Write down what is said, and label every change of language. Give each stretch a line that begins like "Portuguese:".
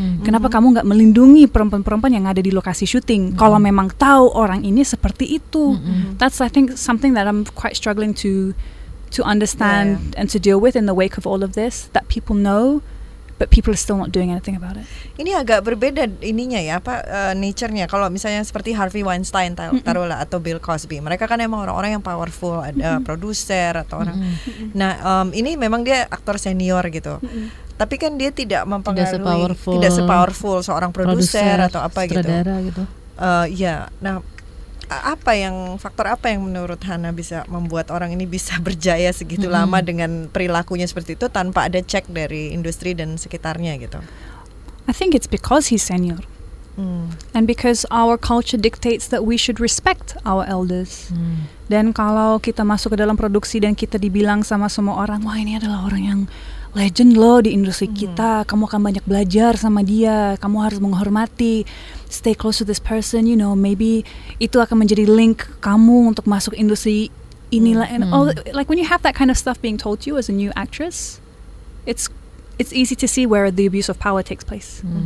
Indonesian: Kenapa kamu nggak melindungi perempuan-perempuan yang ada di lokasi syuting? Kalau memang tahu orang ini seperti itu,
English: that's I think something that I'm quite struggling to. To understand and to deal with in the wake of all of this, that people know, but people are still not doing anything about it.
Indonesian: Ini agak berbeda ininya ya, apa nature-nya. Kalau misalnya seperti Harvey Weinstein taruhlah atau Bill Cosby, mereka kan emang orang-orang yang powerful, ada produser atau orang. Nah, ini memang dia aktor senior gitu. Tapi kan dia tidak mempengaruhi, tidak sepowerful seorang produser atau apa gitu. Sutradara gitu. Nah. Apa yang, faktor apa yang menurut Hana bisa membuat orang ini bisa berjaya segitu lama dengan perilakunya seperti itu tanpa ada cek dari industri dan sekitarnya gitu?
English: I think it's because he's senior. And because our culture dictates that we should respect our elders.
Indonesian: Dan kalau kita masuk ke dalam produksi dan kita dibilang sama semua orang, wah ini adalah orang yang legend loh di industri kita, kamu akan banyak belajar sama dia, kamu harus menghormati,
English: stay close to this person, you know,
Indonesian: maybe itu akan menjadi link kamu untuk masuk industri inilah.
English: And all, like when you have that kind of stuff being told to you as a new actress, it's easy to see where the abuse of power takes place.